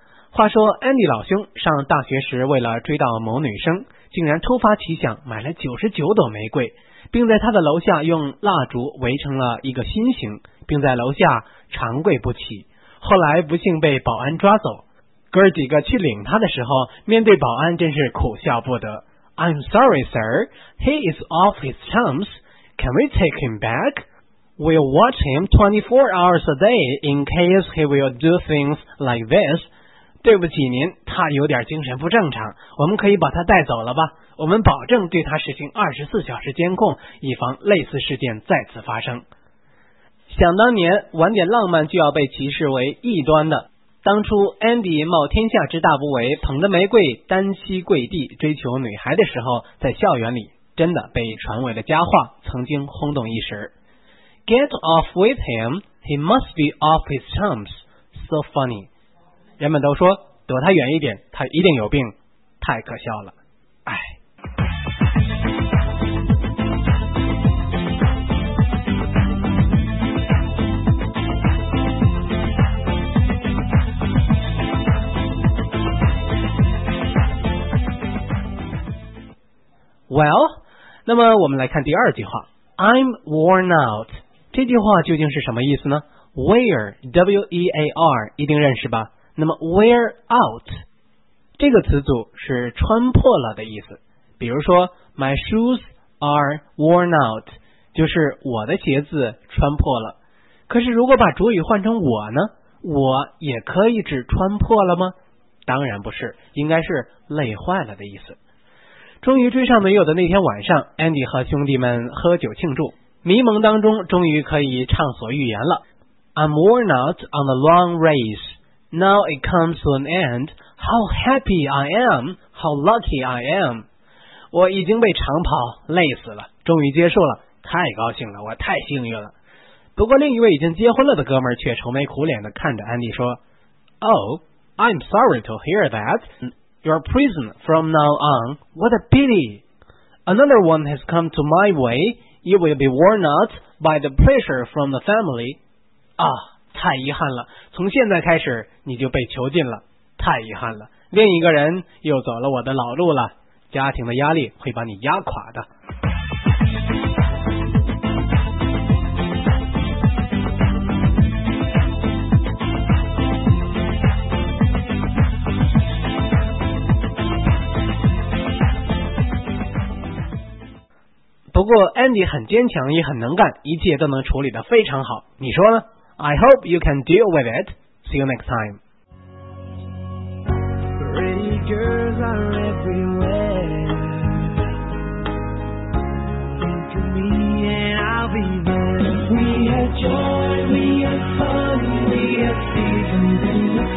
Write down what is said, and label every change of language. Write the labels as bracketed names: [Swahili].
[Chinese] 话说 Andy 老兄上大学时，为了追到某女生，竟然突发奇想买了99朵玫瑰，并在他的楼下用蜡烛围成了一个心形，并在楼下长跪不起。后来不幸被保安抓走，哥几个去领他的时候，面对保安真是苦笑不得。 [English] I'm sorry sir, he is off his chumps, can we take him back? We'll watch him 24 hours a day in case he will do things like this。 [Chinese] 对不起您，他有点精神不正常，我们可以把他带走了吧？我们保证对他实行24小时监控，以防类似事件再次发生。想当年，玩点浪漫就要被歧视为异端的。当初 Andy 冒天下之大不韪，捧着玫瑰单膝跪地追求女孩的时候，在校园里真的被传为了佳话，曾经轰动一时。 [English] Get off with him, he must be off his chumps, so funny. [Chinese] 人们都说躲他远一点，他一定有病，太可笑了。哎，well， 那么我们来看第二句话。 [English] I'm worn out， [Chinese] 这句话究竟是什么意思呢？ wear， W-E-A-R， 一定认识吧。那么 wear out 这个词组是穿破了的意思，比如说 [English] my shoes are worn out， [Chinese] 就是我的鞋子穿破了。可是如果把主语换成我呢，我也可以指穿破了吗？当然不是，应该是累坏了的意思。终于追上没有的那天晚上， Andy 和兄弟们喝酒庆祝，迷蒙当中终于可以畅所欲言了。 [English] I'm worn out on the long race. Now it comes to an end. How happy I am! How lucky I am! [Chinese] 我已经被长跑累死了，终于结束了，太高兴了，我太幸运了。不过另一位已经结婚了的哥们儿却愁眉苦脸的看着安迪说 ： [English] “Oh, I'm sorry to hear that. You're prisoned from now on. What a pity! Another one has come to my way. You will be worn out by the pressure from the family. Ah.” [Chinese] 太遗憾了，从现在开始你就被囚禁了，太遗憾了，另一个人又走了我的老路了，家庭的压力会把你压垮的。不过 Andy 很坚强也很能干，一切都能处理得非常好，你说呢？ [English] I hope you can deal with it. See you next time. Pretty girls are everywhere. Think of me and I'll be there. We have joy, we have fun, we have seasons in the